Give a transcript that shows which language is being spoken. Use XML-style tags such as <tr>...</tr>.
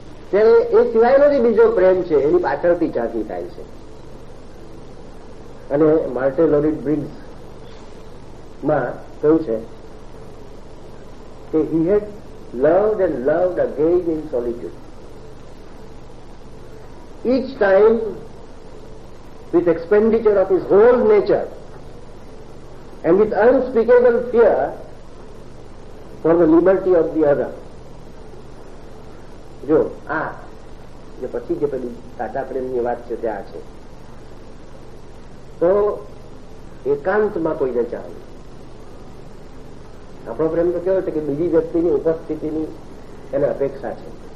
<gu>ત્યારે એ સિવાયનો જે બીજો પ્રેમ છે એની પાછળથી જાગી થાય છે. અને માર્ટે લોરિડ બ્રિગ્સ માં કહ્યું છે કે</gu> <en>He had loved and loved again in solitude. Each time, with expenditure of his whole nature and with unspeakable fear for the liberty of the other.</en> <gu>જો આ જે પછી જે પેલી સાચા પ્રેમની વાત છે તે આ છે, તો એકાંતમાં કોઈને ચાલે. આપણો પ્રેમ તો કેવો છે કે બીજી વ્યક્તિની ઉપસ્થિતિની એને અપેક્ષા છે.</gu>